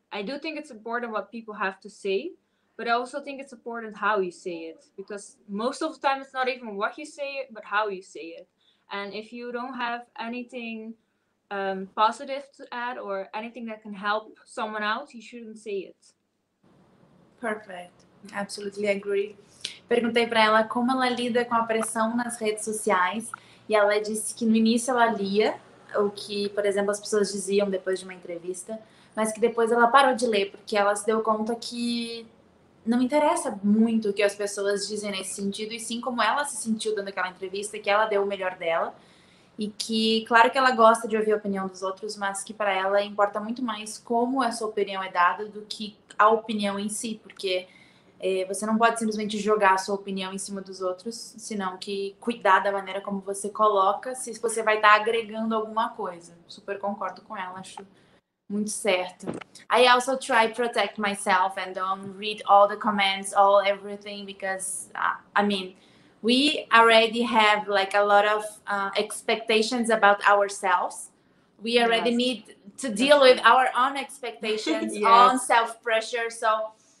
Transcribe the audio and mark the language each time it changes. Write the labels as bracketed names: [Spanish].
[English] I do think it's important what people have to say, but I also think it's important how you say it, because most of the time it's not even what you say, but how you say it. And if you don't have anything positive to add or anything that can help someone out, you shouldn't say it. Perfect. Absolutely agree. [Portuguese] Perguntei para ela como ela lida com a pressão nas redes sociais e ela disse que no início ela lia o que, por exemplo, as pessoas diziam depois de uma entrevista, mas que depois ela parou de ler porque ela se deu conta que não interessa muito o que as pessoas dizem nesse sentido e sim como ela se sentiu dando aquela entrevista, que ela deu o melhor dela e que, claro que ela gosta de ouvir a opinião dos outros, mas que para ela importa muito mais como essa opinião é dada do que a opinião em si, porque você não pode simplesmente jogar a sua opinião em cima dos outros, senão que cuidar da maneira como você coloca, se você vai estar agregando alguma coisa. Super concordo com ela, acho muito certo. [English] I also try to protect myself and don't read all the comments, all everything, because, I mean, we already have like a lot of expectations about ourselves. We already need to deal with our own expectations, own self-pressure, so...